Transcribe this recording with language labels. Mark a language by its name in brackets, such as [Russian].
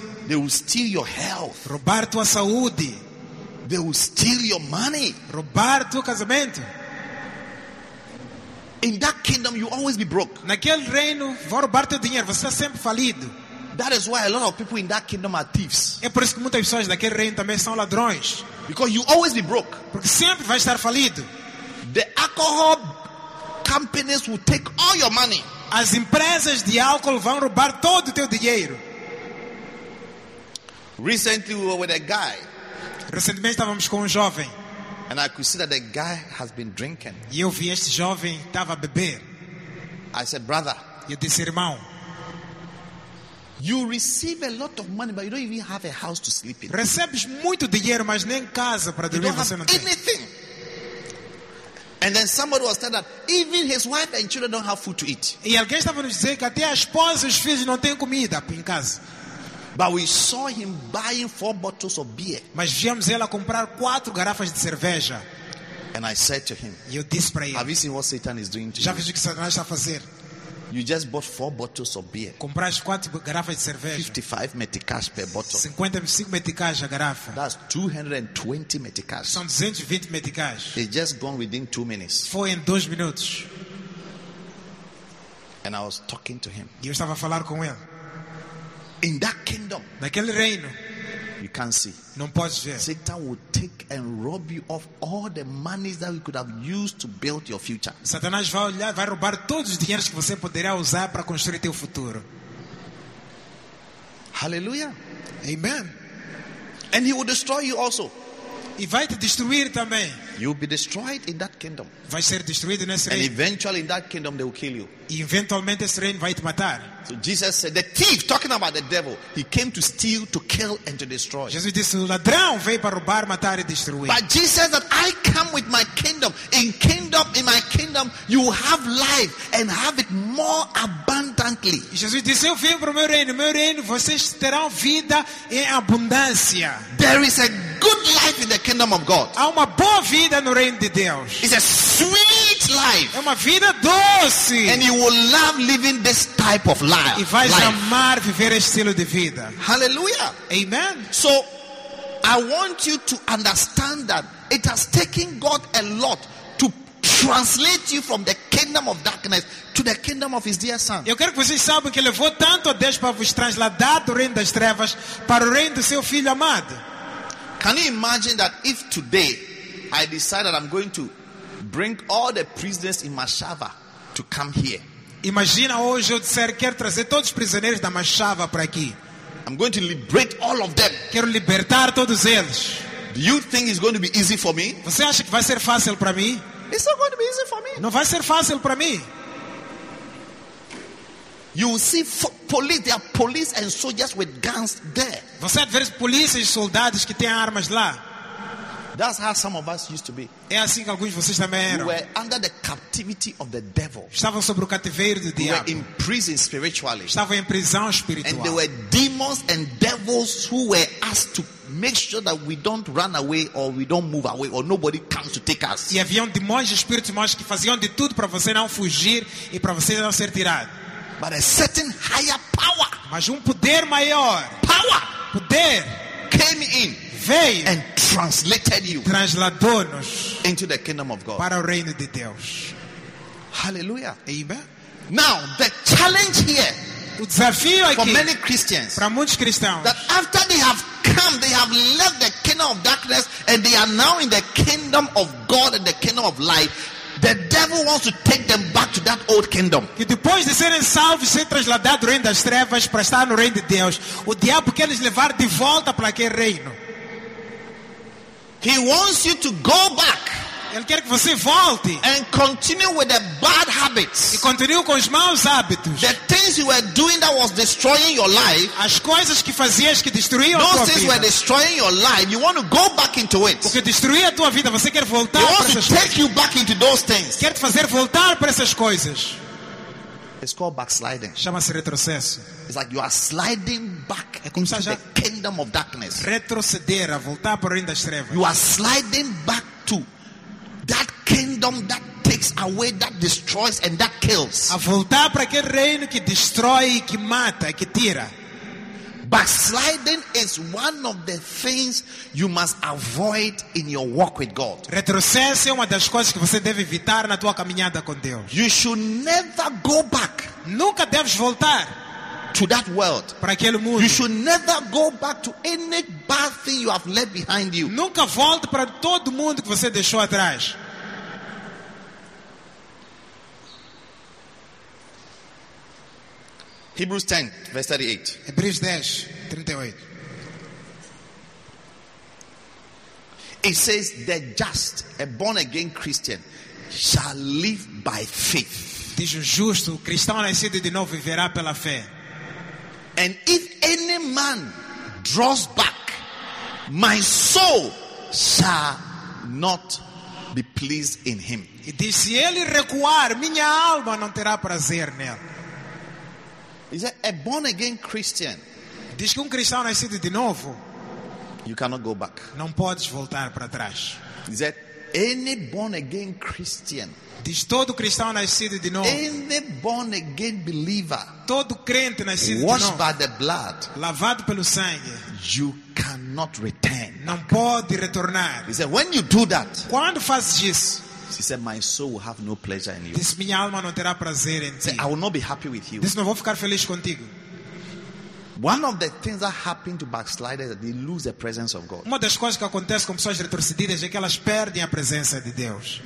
[English] They will steal your health, [Portuguese] roubar tua saúde. [English] They will steal your money, [Portuguese] roubar teu casamento. [English] In that kingdom, you always be broke. [Portuguese] Naquele reino, vão roubar teu dinheiro. Você está sempre falido. [English] That is why a lot of people in that kingdom are thieves. [Portuguese] É por isso que muitas pessoas naquele reino também são ladrões. [English] Because you always be broke. [Portuguese] Porque sempre vai estar falido. [English] The alcohol companies will take all your money. [Portuguese] As empresas de álcool vão roubar todo o teu dinheiro. [English] Recently, we were with a guy. [Portuguese] Recentemente estávamos com um jovem. [English] And I could see that the guy has been drinking. [Portuguese] Eu vi este jovem estava a beber. [English] I said, brother. [Portuguese] Eu disse, irmão. [English] You receive a lot of money, but you don't even have a house to sleep in. [Portuguese] Recebes muito dinheiro, mas nem casa para dormir. [English] You don't have anything. And then somebody was telling that even his wife and children don't have food to eat. [Portuguese] E alguém estava nos dizendo que até a esposa e os filhos não têm comida em casa. [English] But we saw him buying 4 bottles of beer. [Portuguese] Mas vimos ele a comprar 4 garrafas de cerveja. [English] And I said to him, [Portuguese] eu disse para ele, [English] have you seen what Satan is doing to [Portuguese] já viste o que Satanás está a fazer? [English] You just bought 4 bottles of beer. [Portuguese] Compraste 4 garrafas de cerveja. [English] 55 meticais per bottle. [Portuguese] 55 meticais a garrafa. [English] That's 220 meticais. [Portuguese] São 220 meticais. [English] It just gone within 2 minutes. [Portuguese] Foi em 2 minutos. [English] And I was talking to him. [Portuguese] E eu estava a falar com ele. [English] In that kingdom. [Portuguese] Naquele reino. [English] You can't see. [Portuguese] Não podes ver. [English] Satan will take and rob you of all the monies that you could have used to build your future. [Portuguese] Satanás vai olhar, vai roubar todos os dinheiros que você poderá usar para construir teu futuro. [English] Hallelujah. [Portuguese] Amen. [English] And he will destroy you also. [Portuguese] E vai te destruir também. [English] You'll be destroyed in that kingdom. [Portuguese] Vai ser destruído nesse reino. [English] And eventually in that kingdom they will kill you. [Portuguese] E eventualmente esse reino vai te matar. [English] So Jesus said, the thief, talking about the devil, he came to steal, to kill and to destroy. [Portuguese] Jesus disse, o ladrão veio para roubar, matar e destruir. [English] But Jesus said, I come with my kingdom. In my kingdom you have life and have it more abundantly. [Portuguese] Jesus disse, eu vim para o meu reino, vocês terão vida em abundância. [English] There is a good life in the kingdom of God. [Portuguese] Há uma boa vida no reino de Deus. [English] It's a sweet life. [Portuguese] É uma vida doce. [English] And you will love living this type of life. [Portuguese] E vais amar viver este estilo de vida. [English] Hallelujah. [Portuguese] Amen. [English] So, I want you to understand that it has taken God a lot to translate you from the kingdom of darkness to the kingdom of his dear son. [Portuguese] Eu quero que vocês saibam que levou tanto a Deus para vos transladar do reino das trevas para o reino do seu filho amado. [English] Can you imagine that if today I decide that I'm going to bring all the prisoners in Machava to come here? [Portuguese] Imagina hoje eu disser, quero trazer todos os prisioneiros da Machava para aqui. [English] I'm going to liberate all of them. [Portuguese] Quero libertar todos eles. [English] Do you think it's going to be easy for me? [Portuguese] Você acha que vai ser fácil para mim? [English] It's not going to be easy for me. [Portuguese] Não vai ser fácil para mim. [English] You will see police. There are police and soldiers with guns there. [Portuguese] Você vê as polícias e soldados que têm armas lá. [English] That's how some of us used to be. [Portuguese] É assim que alguns de vocês também eram. [English] We were under the captivity of the devil. [Portuguese] Estavam sob o cativeiro do diabo. [English] We were in prison spiritually. [Portuguese] Estavam em prisão espiritual. [English] And there were demons and devils who were asked to make sure that we don't run away or we don't move away or nobody comes to take us. [Portuguese] E havia demônios e espíritos maus que faziam de tudo para você não fugir e para você não ser tirado. [English] But a certain higher power, [Portuguese] mas poder maior, [English] power, [Portuguese] poder, [English] came in, [Portuguese] veio, [English] and translated you, [Portuguese] transladou-nos, [English] into the kingdom of God, [Portuguese] para o reino de Deus. [English] Hallelujah. [Portuguese] Amen. [English] Now the challenge here, [Portuguese] o desafio aqui, [English] for many Christians, [Portuguese] para muitos cristãos, [English] that after they have come, they have left the kingdom of darkness and they are now in the kingdom of God and the kingdom of light. The devil wants to take them back to that old kingdom. [Portuguese] Que depois de serem salvos, ser trasladado do reino das trevas para estar no reino de Deus, o diabo quer lhes levar de volta para aquele reino. [English] He wants you to go back. [Portuguese] Ele quer que você volte. [English] And continue with the bad habits. [Portuguese] E continue com os maus hábitos. [English] The things you were doing that was destroying your life. [Portuguese] As coisas que fazias que destruíam a tua vida. [English] Those things were destroying your life. You want to go back into it. [Portuguese] Porque destruía a tua vida. Você quer voltar para essas coisas. [English] He wants to take you back into those things. [Portuguese] Quer te fazer voltar para essas coisas. [English] It's called backsliding. [Portuguese] Chama-se retrocesso. [English] It's like you are sliding back into the kingdom of darkness. [Portuguese] Retroceder, a voltar para o reino das trevas. [English] You are sliding back to that kingdom that takes away, that destroys and that kills. [Portuguese] A voltar para aquele reino que destrói, que mata, que tira. [English] Backsliding is one of the things you must avoid in your walk with God. [Portuguese] Retrocesso é uma das coisas que você deve evitar na tua caminhada com Deus. [English] You should never go back. [Portuguese] Nunca deves voltar [English] to that world. [Portuguese] Para aquele mundo. [English] You should never go back to any bad thing you have left behind you. [Portuguese] Nunca volte para todo mundo que você deixou atrás. [English] Hebrews 10, verse 38. [Portuguese] Hebreus 10, 38. [English] It says the just, a born again Christian, shall live by faith. [Portuguese] Diz o justo, o cristão nascido de novo viverá pela fé. [English] And if any man draws back, my soul shall not be pleased in him. [Portuguese] E diz, se ele recuar, minha alma não terá prazer nele. [English] He said, a born again Christian. [Portuguese] Diz que cristão nascido de novo. [English] You cannot go back. [Portuguese] Não podes voltar para trás. [English] He said, Any born again Christian. [Portuguese] Diz todo cristão nascido de novo. [English] Any born again believer. [Portuguese] Todo crente nascido de novo. [English] Washed by the blood. [Portuguese] Lavado pelo sangue. [English] You cannot return. [Portuguese] Não pode retornar. [English] He said, when you do that. [Portuguese] Quando fazes isso. [English] He said, my soul will have no pleasure in you. [Portuguese] Diz, minha alma não terá prazer em ti. [English] Say, I will not be happy with you. [Portuguese] Diz, não vou ficar feliz contigo. [English] One of the things that happen to backsliders is that they lose the presence of God. [Portuguese] Uma das coisas que acontece com pessoas retorcidas é que elas perdem a presença de Deus.